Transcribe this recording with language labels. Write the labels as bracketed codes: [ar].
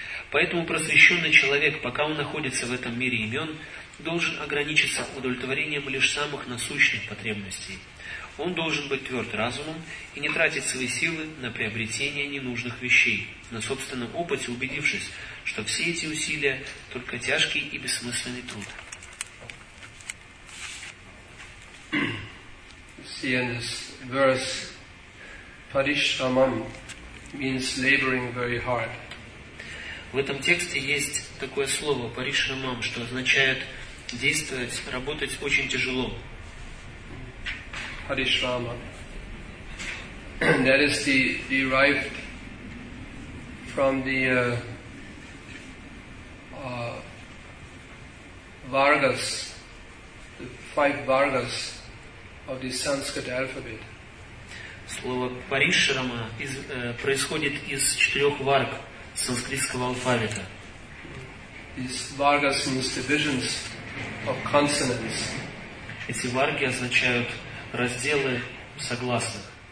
[ru] Поэтому просвещенный человек, пока он находится в этом мире имен, должен ограничиться удовлетворением лишь самых насущных потребностей. Он должен быть тверд разумом и не тратить свои силы на приобретение ненужных вещей, на собственном опыте убедившись, что все эти усилия – только тяжкий и бессмысленный труд. [en] See, in this verse, parishramam means laboring very hard. [ru] В этом тексте есть такое слово «паришрамам», что означает «действовать, работать очень тяжело». [en] Parishrama. That is the derived from the vargas, the five vargas of the Sanskrit alphabet. [ru] Слово Parishrama происходит из четырех варг санскритского алфавита. [en] These vargas means divisions of consonants. [ru] Эти варги означают разделы согласных.